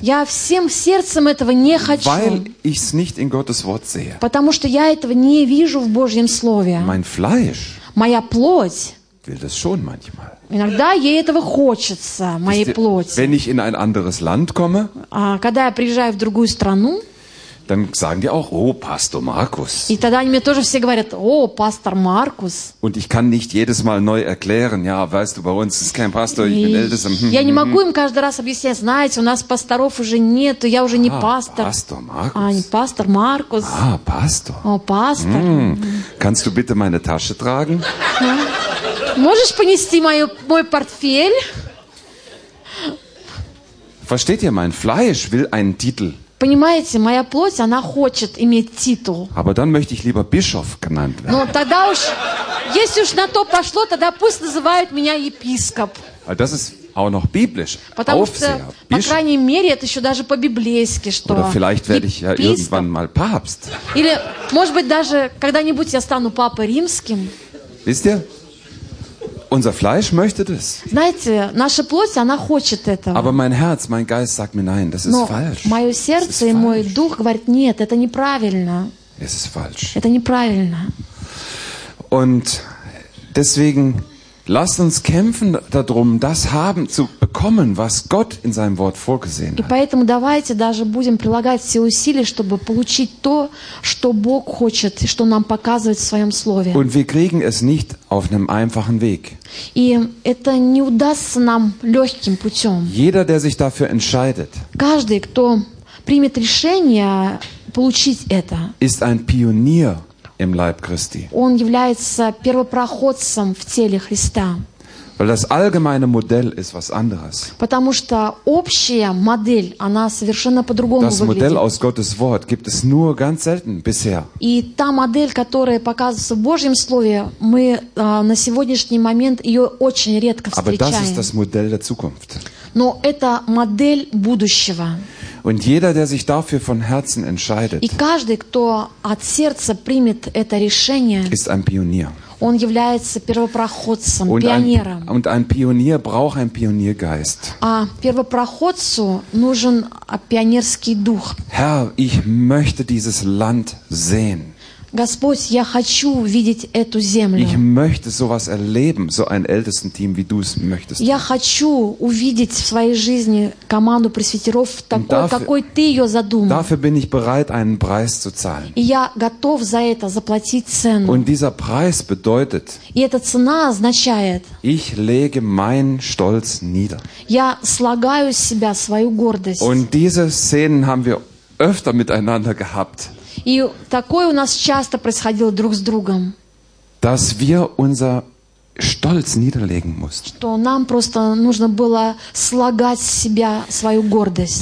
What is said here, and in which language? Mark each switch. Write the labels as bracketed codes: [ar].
[ru] Я всем сердцем этого не хочу. [de] Weil ich's nicht in Gottes Wort sehe. [ru] Потому что я этого не вижу в Божьем Слове. [de] Mein Fleisch [ru] Моя плоть [de] will das schon manchmal. [ru] Иногда ей этого хочется, моей Wisst плоти. [de] Ihr, wenn ich in ein anderes Land komme, [ru] когда я приезжаю в другую страну, [de] dann sagen die auch, oh, Pastor Markus. [ru] И тогда они мне тоже все говорят, о, пастор Маркус. [de] Und ich kann nicht jedes Mal neu erklären, ja, weißt du, bei uns ist kein Pastor, ich bin Ältester. [ru] Я не могу им каждый раз объяснять, знаете, у нас пасторов уже нет, я уже не пастор. [de] Pastor Markus. [ru] Пастор Маркус. Пастор. О, пастор. [de] Kannst du bitte meine Tasche tragen? [ru] Можешь понести мой портфель? [de] Versteht ihr, mein Fleisch will einen Titel. [ru] Понимаете, моя плоть, она хочет иметь титул. [de] Aber dann möchte ich lieber Bischof genannt werden. [ru] Но тогда уж, если уж на то пошло, тогда пусть называют меня епископ. [de] Das ist auch noch biblisch. [ru] Потому что, по крайней мере, это еще даже по-библейски, что [de] Oder vielleicht werde ich ja irgendwann mal Papst. [ru] Или, может быть, даже когда-нибудь я стану папой римским. [de] Wisst ihr? Unser Fleisch möchte das. [ru] Знаете, наша плоть, она хочет этого. [de] Aber mein Herz, mein Geist sagt mir nein, das ist falsch. [ru] Мое сердце и мой дух говорят, нет, это неправильно. [de] Es ist falsch. [ru] Это неправильно. [de] Und deswegen lasst uns kämpfen darum, das haben zu bekommen, was Gott in seinem Wort vorgesehen hat. [ru] И поэтому давайте даже будем прилагать все усилия, чтобы получить то, что Бог хочет, что нам показывает в своем слове. [de] Und wir kriegen es nicht auf einem einfachen Weg. [ru] И это не удастся нам легким путем. [de] Jeder, der sich dafür entscheidet, [ru] каждый, кто примет решение получить это, [de] ist ein Pionier. Im Leib Christi. [ru] Он является первопроходцем в теле Христа. [de] Weil das allgemeine Modell ist was anderes. [ru] Потому что общая модель, она совершенно по-другому выглядит. [de] Das Modell aus Gottes Wort gibt es nur ganz selten bisher. [ru] И та модель, которая показывается в Божьем слове, мы на сегодняшний момент ее очень редко встречаем. [de] Aber das ist das Modell der Zukunft. [ru] Но это модель будущего. [de] Und jeder, der sich dafür von Herzen entscheidet, [ru] И каждый, кто от сердца примет это решение, [de] ist ein Pionier. [ru] Он является первопроходцем, пионером. [de] Und ein Pionier braucht einen Pioniergeist. [ru] А первопроходцу нужен пионерский дух. [de] Herr, ich möchte dieses Land sehen. [ru] Господь, я хочу видеть эту землю. [de] Ich möchte sowas erleben, so ein Ältestenteam, wie du es möchtest. [ru] Я хочу увидеть в своей жизни команду пресвитеров, такой, какой ты ее задумал. [de] Dafür bin ich bereit, einen Preis zu zahlen. [ru] И я готов за это заплатить цену. [de] Und dieser Preis bedeutet, [ru] И эта цена означает, [de] ich lege meinen Stolz nieder. [ru] Я слагаю с себя свою гордость. [de] Und diese Szenen haben wir öfter miteinander gehabt. [ru] И такое у нас часто происходило друг с другом. [de] Dass wir unser Stolz niederlegen mussten. [ru] Что нам просто нужно было слагать с себя свою гордость.